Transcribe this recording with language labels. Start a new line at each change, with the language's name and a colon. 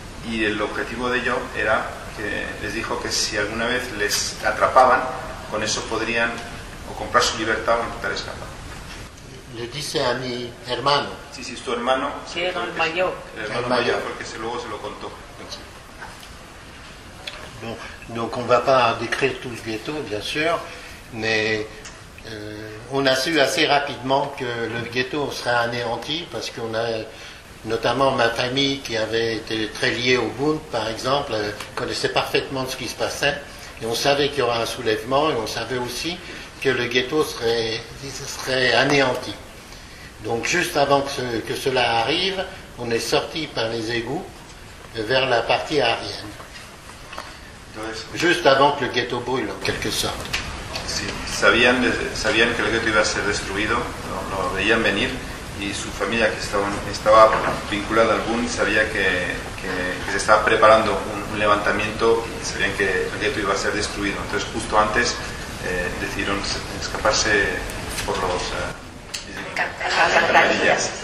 Spanish: Y el objetivo de Job era que les dijo que si alguna vez les atrapaban, con eso podrían o comprar su libertad o intentar escapar. Le dice a mi hermano. Sí, sí, es tu hermano. Sí, era el mayor. El hermano mayor, porque luego se lo contó.
French: Bon, donc on ne va pas décrire tout le ghetto, bien sûr, mais on a su assez rapidement que le ghetto serait anéanti, parce qu'on a, notamment ma famille qui avait été très liée au Bund, par exemple, connaissait parfaitement ce qui se passait, et on savait qu'il y aurait un soulèvement, et on savait aussi que le ghetto serait anéanti. Donc juste avant que cela arrive, on est sorti par les égouts vers la partie aérienne. Juste avant que le ghetto brûle, en quelque sorte.
Spanish: Sí, sabían que el ghetto iba a ser destruido, lo veían venir, y su familia que estaba vinculada al Bund sabía que se estaba preparando un levantamiento y sabían que el ghetto iba a ser destruido. Entonces, justo antes, decidieron escaparse por los...